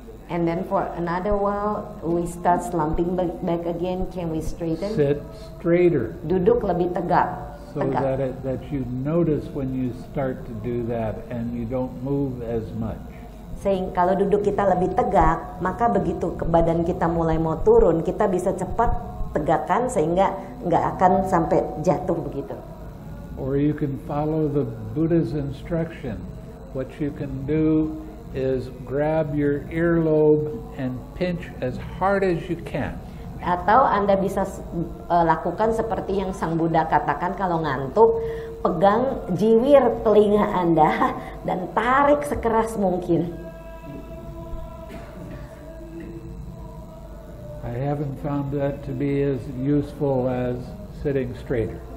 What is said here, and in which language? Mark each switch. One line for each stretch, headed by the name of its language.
English: And then for another while we start slumping back again, can we straighten? Sit straighter.
Indonesian: Duduk lebih tegak.
English: So that you notice when you start to do that and you don't move as much.
Indonesian: Saying kalau duduk kita lebih tegak, maka begitu badan kita mulai mau turun, kita bisa cepat tegakkan sehingga enggak akan sampai jatuh begitu.
English: Or you can follow the Buddha's instruction. What you can do is grab your earlobe and pinch as hard as you can.
Indonesian: Atau Anda bisa lakukan seperti yang Sang Buddha katakan, kalau ngantuk pegang jiwir telinga Anda dan tarik sekeras mungkin.
English: I haven't found that to be as useful as sitting straighter.